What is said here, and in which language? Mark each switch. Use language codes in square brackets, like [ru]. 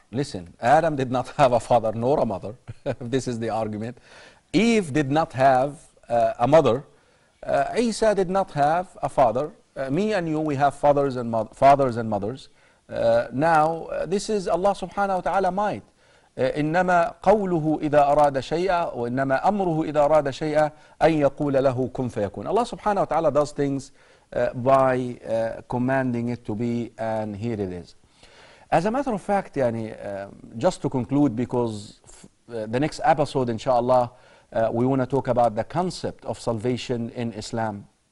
[en] Listen, Adam did not have a father nor a mother. This is the argument. Eve did not have a mother. Isa did not have a father. Me and you, we have fathers and mothers. This is Allah subhanahu wa ta'ala might. [ar] إنما قوله إذا أراد شيئا وإنما أمره إذا أراد شيئا أن يقول له كن فيكون. [en] Allah subhanahu wa ta'ala does things by commanding it to be, and here it is. As a matter of fact, just to conclude, because the next episode inshallah, we want to talk about the concept of salvation in Islam.